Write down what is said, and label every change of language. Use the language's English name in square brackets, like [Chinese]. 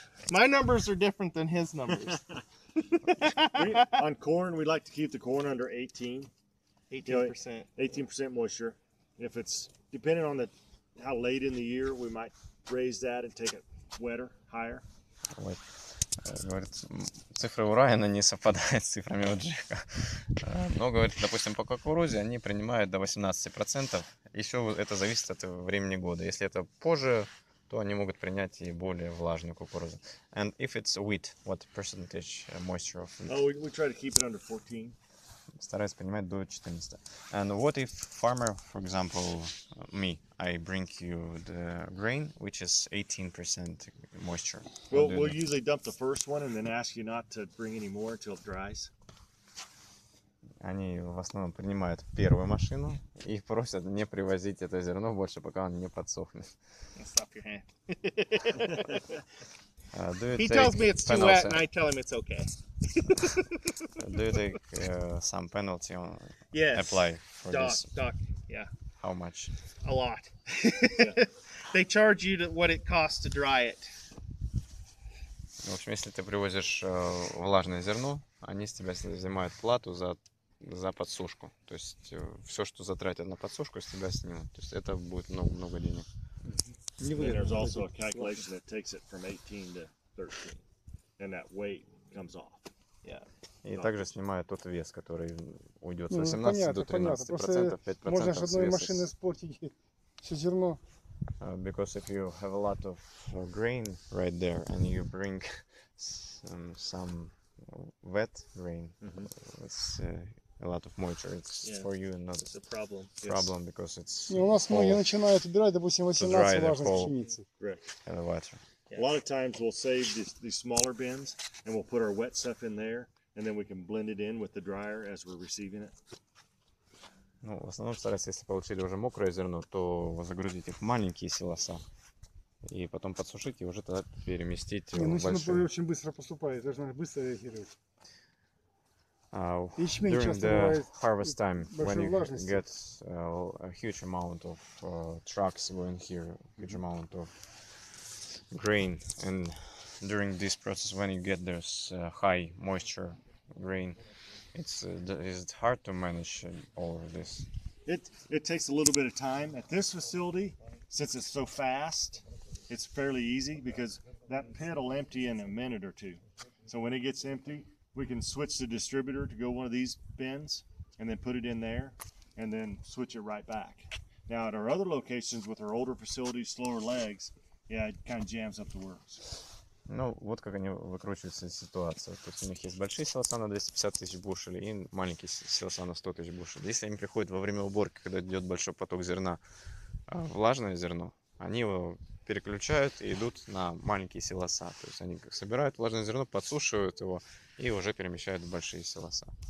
[English] My numbers are different than his numbers. On corn, we like to keep the corn under 18% moisture. If it's depending on the how late in the year, we might raise that and take it wetter, higher. Wait. [Russian] Говорит, цифры у Райана не совпадают с цифрами у Джека. Но, говорит, допустим, по кукурузе они принимают до 18%. Еще это зависит от времени года. Если это позже, то они могут принять и более влажную кукурузу. [English] And if it's wheat, what percentage moisture of wheat? Oh, we try to keep it under 14. [Russian] Стараюсь принимать до 14. [English] And what if farmer, for example, me, I bring you the grain, which is 18% moisture? Well, we'll usually dump the first one and then ask you not to bring any more until it dries. [Russian] Они в основном принимают первую машину и просят не привозить это зерно больше, пока он не подсохнет. [English] Stop your hand. He tells me it's too wet, and I tell him it's okay. Do you take some penalty on yes. apply for doc, this? Doc, yeah. How much? A lot. Yeah. They charge you what it costs to dry it. [Russian] В общем, если ты привозишь влажное зерно, они с тебя взимают плату за подсушку. То есть все, что затратят на подсушку, с тебя снимут. То есть это будет много денег. [English] Then there's also a calculation that takes it from 18 to 13, and that weight comes off. Yeah. [Russian] И также снимают тот вес, который уйдет с 18 до 13%, 5% Можно с одной машины испортить все зерно. [English] Because if you have a lot of grain right there, and you bring some wet grain, it's a lot of moisture. It's for you and not a problem. Problem because it's. [Russian] У нас многие начинают убирать, допустим, 18 важных пшеницы. [English] And the water. Yeah. A lot of times we'll save these smaller bins and we'll put our wet stuff in there and then we can blend it in with the dryer as we're receiving it. [Russian] Ну, в основном стараюсь, если получили уже мокрое зерно, то загрузить их в маленькие силоса и потом подсушить и уже тогда переместить в большие. Ну, оно очень быстро поступает, должно быстро реагировать. [English] During the harvest time, when you get a huge amount of trucks going here, huge amount of grain, and during this process, when you get this high moisture grain, is it hard to manage all of this? It takes a little bit of time. At this facility, since it's so fast, it's fairly easy because that pit will empty in a minute or two. So when it gets empty, we can switch the distributor to go one of these bins and then put it in there and then switch it right back. Now at our other locations with our older facilities, slower legs, yeah, it kind of jams up the works. [Russian] Ну, вот как они выкручиваются из ситуации. То есть у них есть большие силоса на 250 тысяч бушелей и маленькие силоса на 100 тысяч бушелей. Если им приходит во время уборки, когда идет большой поток зерна, влажное зерно, они его переключают и идут на маленькие силоса. То есть они собирают влажное зерно, подсушивают его и уже перемещают в большие силоса.